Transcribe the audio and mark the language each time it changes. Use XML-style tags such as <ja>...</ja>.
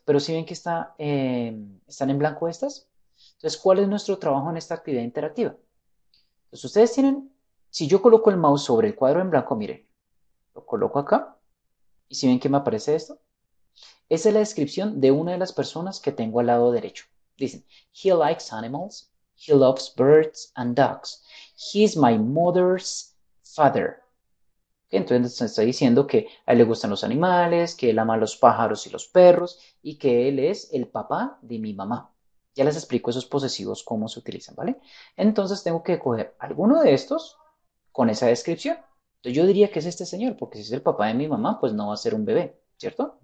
<es>Pero si ven que están en blanco estas, entonces, ¿cuál es nuestro trabajo en esta actividad interactiva? Entonces, ustedes tienen, si yo coloco el mouse sobre el cuadro en blanco, miren, lo coloco acá y si ven que me aparece esto, esa es la descripción de una de las personas que tengo al lado derecho. Dicen,</es> <en>he likes animals, he loves birds and dogs, he is my mother's father. ¿Okay?</en> <es>Entonces está diciendo que a él le gustan los animales, que él ama los pájaros y los perros y que él es el papá de mi mamá. Ya les explico esos posesivos cómo se utilizan, ¿vale? Entonces tengo que coger alguno de estos con esa descripción. Entonces yo diría que es este señor, porque si es el papá de mi mamá, pues no va a ser un bebé, ¿cierto?</es>